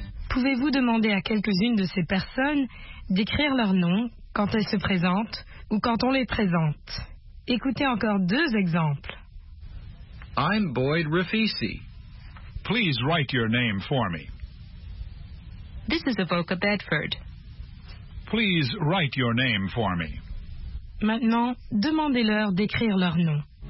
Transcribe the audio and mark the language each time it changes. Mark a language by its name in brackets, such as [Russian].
[French] Pouvez-vous demander à quelques-unes de ces personnes d'écrire leur nom quand elles se présentent ou quand on les présente? Écoutez encore deux exemples. [English] I'm Boyd Rafisi. Please write your name for me. This is Evoca Bedford. Please write your name for me. [French] Maintenant, demandez-leur d'écrire leur nom.